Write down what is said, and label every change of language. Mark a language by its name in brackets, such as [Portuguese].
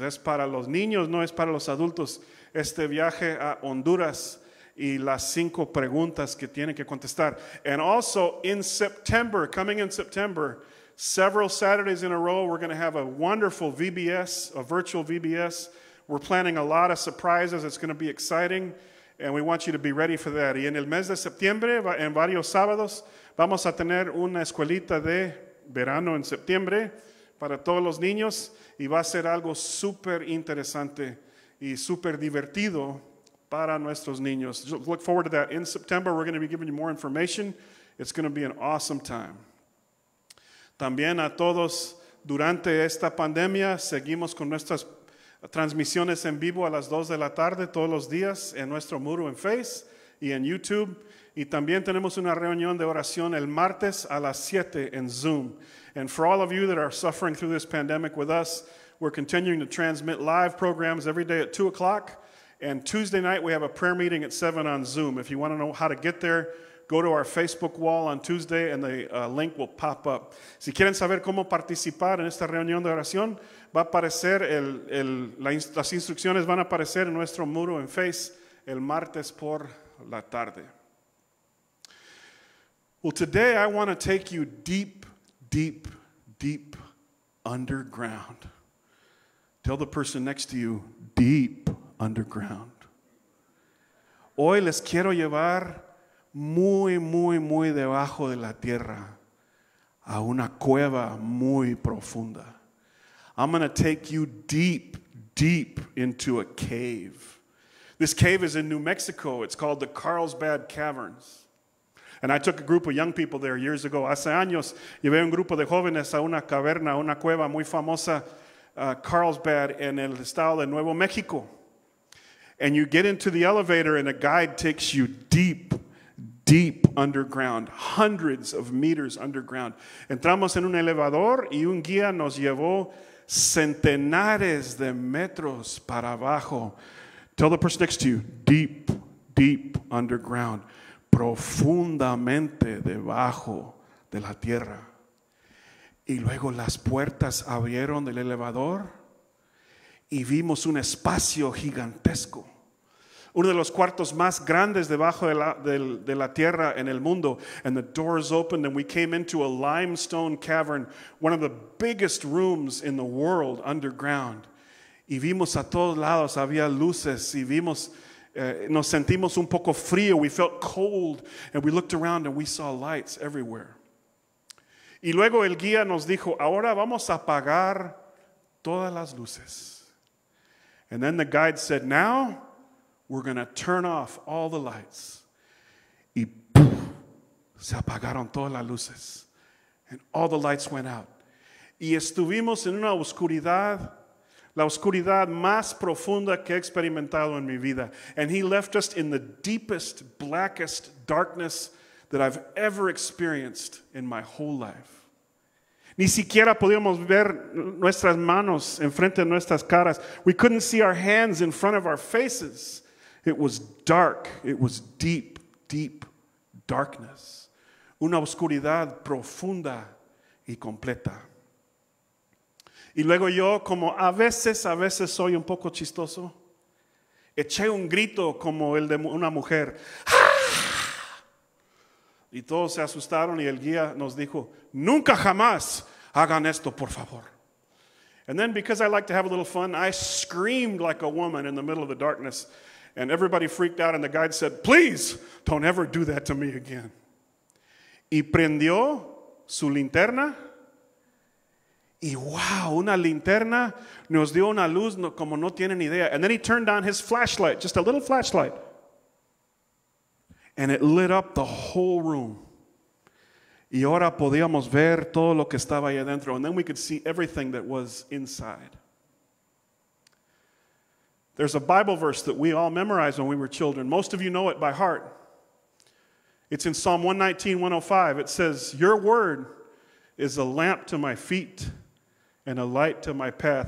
[Spanish] Es para los niños, no es para los adultos. Este viaje a Honduras y las 5 preguntas que tienen que contestar. [English] And also in September, coming in September, several Saturdays in a row, we're going to have a wonderful VBS, a virtual VBS. We're planning a lot of surprises. It's going to be exciting. And we want you to be ready for that. [Spanish] Y en el mes de septiembre, en varios sábados, vamos a tener una escuelita de verano en septiembre para todos los niños. Y va a ser algo súper interesante y súper divertido para nuestros niños. [English] Just look forward to that. In September, we're going to be giving you more information. It's going to be an awesome time. [Spanish] También a todos, durante esta pandemia, seguimos con nuestras transmisiones en vivo a las 2 de la tarde todos los días en nuestro muro en Face y en YouTube. Y también tenemos una reunión de oración el martes a las 7 en Zoom. [English] And for all of you that are suffering through this pandemic with us, we're continuing to transmit live programs every day at 2 o'clock. And Tuesday night we have a prayer meeting at 7 on Zoom. If you want to know how to get there, go to our Facebook wall on Tuesday and the link will pop up. [Spanish] Si quieren saber cómo participar en esta reunión de oración, va a aparecer las instrucciones van a aparecer en nuestro muro en Face el martes por la tarde. [English] Well, today I want to take you deep, deep, deep underground. Tell the person next to you, deep underground. [Spanish] Hoy les quiero llevar muy, muy, muy debajo de la tierra a una cueva muy profunda. [English] I'm going to take you deep, deep into a cave. This cave is in New Mexico. It's called the Carlsbad Caverns. And I took a group of young people there years ago. [Spanish] Hace años, llevé un grupo de jóvenes a una caverna, una cueva muy famosa, Carlsbad, en el estado de Nuevo México. [English] And you get into the elevator and a guide takes you deep, deep underground, hundreds of meters underground. [Spanish] Entramos en un elevador y un guía nos llevó centenares de metros para abajo. [English] Tell the person next to you, deep, deep underground. [Spanish] Profundamente debajo de la tierra. Y luego las puertas abrieron del elevador y vimos un espacio gigantesco. Uno de los cuartos más grandes debajo de la tierra en el mundo. [English] And the doors opened and we came into a limestone cavern, one of the biggest rooms in the world underground. [Spanish] Y vimos a todos lados, había luces y vimos... Nos sentimos un poco frío. [English] We felt cold and we looked around and we saw lights everywhere. [Spanish] Y luego el guía nos dijo, ahora vamos a apagar todas las luces. [English] And then the guide said, now we're going to turn off all the lights. [Spanish] Y ¡puff!, se apagaron todas las luces. [English] And all the lights went out. [Spanish] Y estuvimos en una oscuridad, la oscuridad más profunda que he experimentado en mi vida. [English] And he left us in the deepest, blackest darkness that I've ever experienced in my whole life. [Spanish] Ni siquiera podíamos ver nuestras manos enfrente de nuestras caras. [English] We couldn't see our hands in front of our faces. It was dark. It was deep, deep darkness. [Spanish] Una oscuridad profunda y completa. Y luego yo, como a veces soy un poco chistoso, eché un grito como el de una mujer. ¡Ah! Y todos se asustaron y el guía nos dijo, nunca jamás hagan esto, por favor. [English] And then because I like to have a little fun, I screamed like a woman in the middle of the darkness. And everybody freaked out and the guide said, please, don't ever do that to me again. [Spanish] Y prendió su linterna. Y wow, una linterna nos dio una luz como no tienen idea. [English] And then he turned on his flashlight, just a little flashlight. And it lit up the whole room. [Spanish] Y ahora podíamos ver todo lo que estaba ahí adentro. [English] And then we could see everything that was inside. There's a Bible verse that we all memorized when we were children. Most of you know it by heart. It's in Psalm 119, 105. It says, your word is a lamp to my feet and a light to my path.